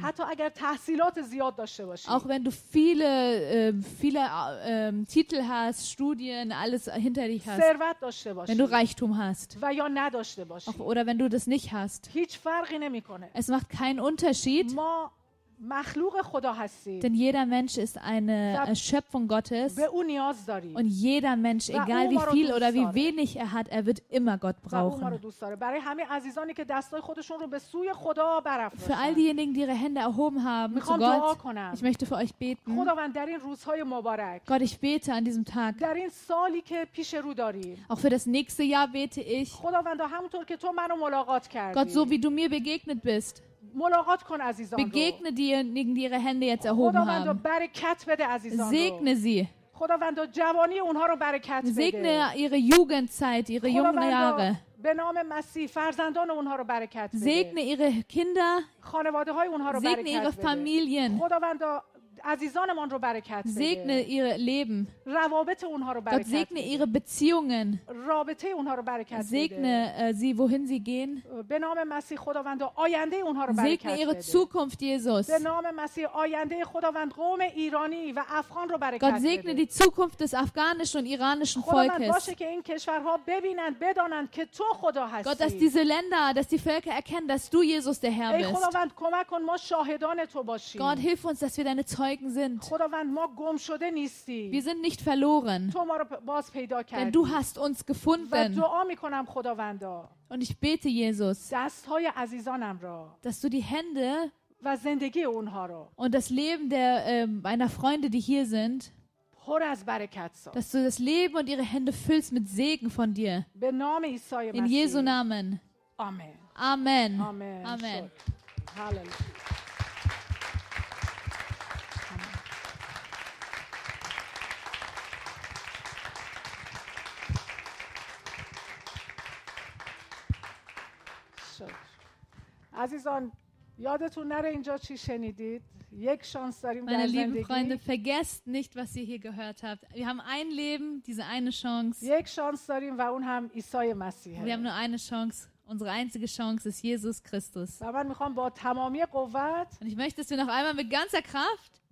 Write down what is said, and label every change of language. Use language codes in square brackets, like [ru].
[fa] حتی اگر تحصیلات زیاد داشته باشی. [de] Auch wenn du viele Titel hast, Studien, alles hinter dich hast. [fa] ثروت داشته باشی. [de] Wenn du Reichtum hast. [fa] و یا نداشته باشی. [de] Oder wenn du das nicht hast. [fa] هیچ فرقی نمیکنه. [de] Es macht keinen Unterschied. [fa] ما مخلوق خدا هستیم. [de] Denn jeder Mensch ist eine Schöpfung Gottes. [fa] به او نیاز داریم. [de] Und jeder Mensch, egal wie viel oder wie wenig er hat, er wird immer Gott brauchen. [fa] ما رو دوست داره. برای همه عزیزانی که دستای خودشون رو به سوی خدا برافراشتن. [de] Für all diejenigen, die ihre Hände erhoben haben zu Gott. Ich möchte für euch beten. [fa] خداوند در این روزهای مبارک. [de] Gott, ich bete an diesem Tag. [fa] در این سالی که پیش رو داریم. [de] Auch für das nächste Jahr bete ich. [fa] خداوند همونطور که تو منو ملاقات کردی. [de] Gott, so wie du mir begegnet bist. [fa] ملاقات کن عزیزان. [de] Begegne diejenigen, die ihre Hände jetzt erhoben haben. [fa] خداوند برکت بده عزیزان. [de] Segne sie. [fa] خداوند جوانی اونها رو برکت بده. [de] Segne ihre Jugendzeit, ihre jungen Jahre. [fa] به نام مسیح فرزندان اونها رو برکت بده. [de] Segne ihre Kinder. [fa] خانواده های اونها رو برکت بده. [de] Segne ihre Familien. [fa] خداوند عزیزانمون رو برکت بده. [de] Segne ihr Leben. [fa] روابط اونها رو برکت بده. [de] Segne ihre Beziehungen. [fa] رابطه اونها رو برکت بده. [de] Segne sie, wohin sie gehen. [fa] به نام مسیح خداوند آینده اونها رو برکت بده. [de] Segne ihre Zukunft, Jesus. [fa] به نام مسیح آینده خداوند قوم ایرانی و افغان رو برکت بده. [de] Gott segne die Zukunft des afghanischen und iranischen Volkes. [fa] خداوند باشه که این کشورها ببینند بدانند که تو خدا هستی. [de] Gott, dass diese Länder, dass die Völker erkennen, dass du Jesus der Herr bist. [fa] ای خداوند کمک کن ما شاهدان تو باشیم. [de] Gott, hilf uns, dass wir deine sind. [fa] خداوند ما گم شده نیستی. [de] Wir sind nicht verloren. [fa] تو ما رو باز پیدا کردی. [de] Denn du hast uns gefunden. [fa] و دعا میکنم خداوندا. [de] Und ich bete Jesus. [fa] دستهای عزیزانم را. [de] Dass du die Hände [fa] و زندگی اونها را. [de] Und das Leben der meiner Freunde, die hier sind. [fa] پر از برکت ساز. [de] Dass du das Leben und ihre Hände füllst mit Segen von dir. [fa] به نام عیسی مسیح. [de] In Jesu Namen. Amen. Amen. Amen. Amen. Halleluja. [fa] عزیزان یادتون نره اینجا چی شنیدید یک شانس داریم [de] Meine lieben Freunde, vergesst nicht, was ihr hier gehört habt. Wir haben ein Leben, diese eine Chance. [fa] یک شانس داریم و اون هم عیسی مسیح. [de] Wir haben nur eine Chance. Unsere einzige Chance ist Jesus Christus. [fa] و من میخوام با تمامی قوت [de] Und ich möchte, dass wir noch einmal mit ganzer Kraft